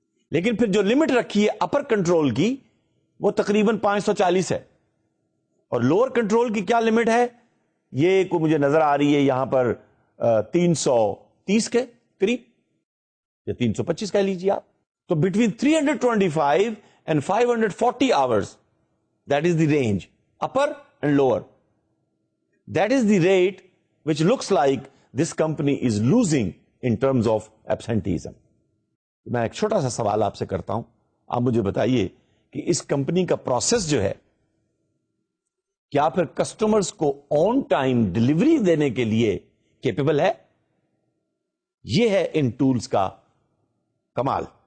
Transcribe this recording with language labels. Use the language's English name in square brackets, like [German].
[Urdu] لیکن پھر جو لمٹ رکھی ہے اپر کنٹرول کی وہ تقریباً 540 ہے, اور لوور کنٹرول کی کیا لمٹ ہے یہ کو مجھے نظر آ رہی ہے یہاں پر 330 کے قریب, یا 325 کہہ لیجیے آپ. [English] تو between 325 and 540 hours, that is the range upper and lower, that is the rate which looks like this company is losing in terms of absenteeism. [Urdu] میں ایک چھوٹا سا سوال آپ سے کرتا ہوں, آپ مجھے بتائیے کہ اس کمپنی کا پروسیس جو ہے, کیا پھر کسٹمرز کو آن ٹائم ڈلیوری دینے کے لیے کیپیبل ہے؟ یہ ہے ان ٹولز کا کمال.